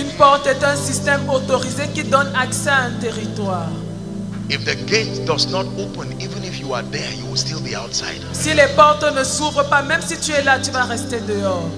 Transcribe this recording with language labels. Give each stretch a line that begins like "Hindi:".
French: Une porte est un système autorisé qui donne accès à un territoire.
English: If the gate does not open, even if you are there, you will still be outside.
French: Si les portes ne s'ouvrent pas, même si tu es là, tu vas rester dehors.